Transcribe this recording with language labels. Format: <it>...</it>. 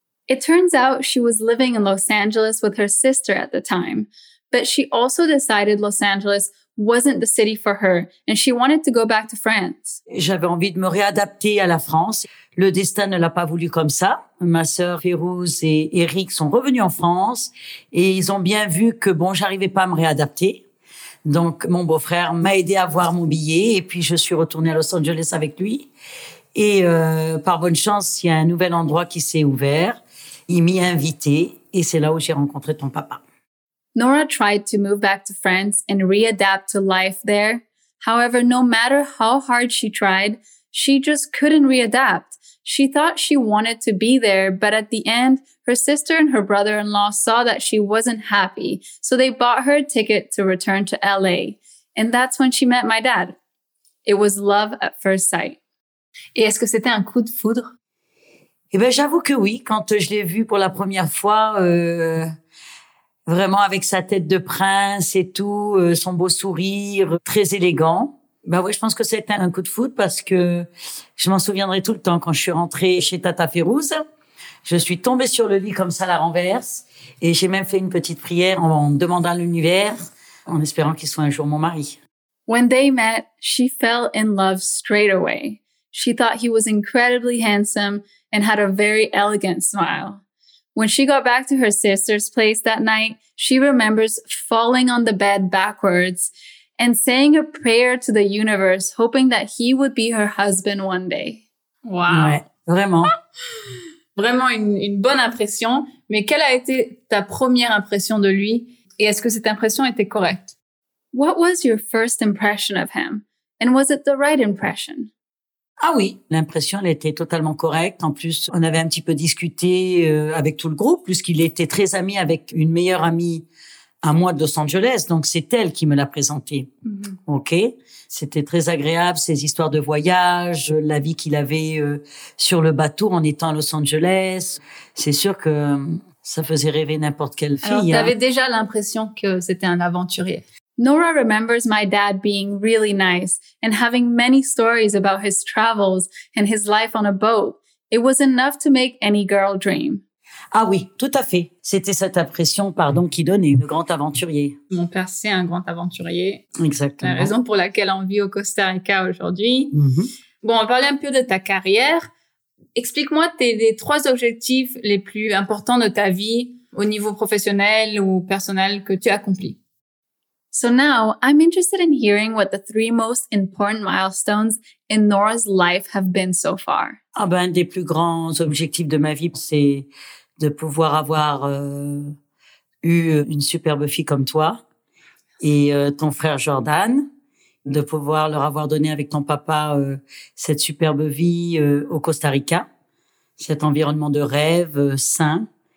<en>It turns out she was living in Los Angeles with her sister at the time. But she also decided Los Angeles wasn't the city for her and she wanted to go back to France.</en> <fr>J'avais envie de me réadapter à la France. Le destin ne l'a pas voulu comme ça. Ma sœur Firouz et Eric sont revenus en France et ils ont bien vu que bon, j'arrivais pas à me réadapter. Donc mon beau-frère m'a aidé à avoir mon billet et puis je suis retournée à Los Angeles avec lui. Et par bonne chance, il y a un nouvel endroit qui s'est ouvert. Il m'y a invité et c'est là où j'ai rencontré ton papa.</fr> <en>Nora tried to move back to France and readapt to life there. However, no matter how hard she tried, she just couldn't readapt. She thought she wanted to be there, but at the end, her sister and her brother-in-law saw that she wasn't happy. So they bought her a ticket to return to LA. And that's when she met my dad. It was love at first sight.</en> <fr>Et est-ce que c'était un coup de foudre? Eh bien, j'avoue que oui. Quand je l'ai vu pour la première fois, vraiment avec sa tête de prince et tout, son beau sourire, très élégant. Ben oui, je pense que c'était un coup de foudre parce que je m'en souviendrai tout le temps. Quand je suis rentrée chez Tata Firouz, je suis tombée sur le lit comme ça, la renverse. Et j'ai même fait une petite prière en demandant à l'univers, en espérant qu'il soit un jour mon mari.</fr> <en>When they met, she fell in love straight away. She thought he was incredibly handsome and had a very elegant smile. When she got back to her sister's place that night, she remembers falling on the bed backwards and saying a prayer to the universe, hoping that he would be her husband one day. Wow. Ouais,</en> <fr>vraiment. Vraiment une bonne impression. Mais quelle a été ta première impression de lui? Et est-ce que cette impression était correcte?</fr> <en>What was your first impression of him? And was it the right impression?</en> <fr>Ah oui, l'impression, elle était totalement correcte. En plus, on avait un petit peu discuté avec tout le groupe, puisqu'il était très ami avec une meilleure amie à moi de Los Angeles. Donc, c'est elle qui me l'a présenté. Mm-hmm. OK. C'était très agréable, ses histoires de voyage, la vie qu'il avait sur le bateau en étant à Los Angeles. C'est sûr que ça faisait rêver n'importe quelle fille. Alors, t'avais déjà l'impression que c'était un aventurier.</fr> <en>Nora remembers my dad being really nice and having many stories about his travels and his life on a boat. It was enough to make any girl dream.</en> <fr>Ah oui, tout à fait. C'était cette impression, pardon, qui donnait le grand aventurier. Mon père, c'est un grand aventurier. Exactement. La raison pour laquelle on vit au Costa Rica aujourd'hui. Mm-hmm. Bon, on va parler un peu de ta carrière. Explique-moi tes trois objectifs les plus importants de ta vie au niveau professionnel ou personnel que tu accomplis.</fr> <en>So now, I'm interested in hearing what the three most important milestones in Nora's life have been so far.</en> <fr>Ah ben, des plus grands objectifs de ma vie, c'est de pouvoir avoir eu une superbe fille comme toi et ton frère Jordan, de pouvoir leur avoir donné avec ton papa cette superbe vie au Costa Rica, cet environnement de rêve sain.</fr>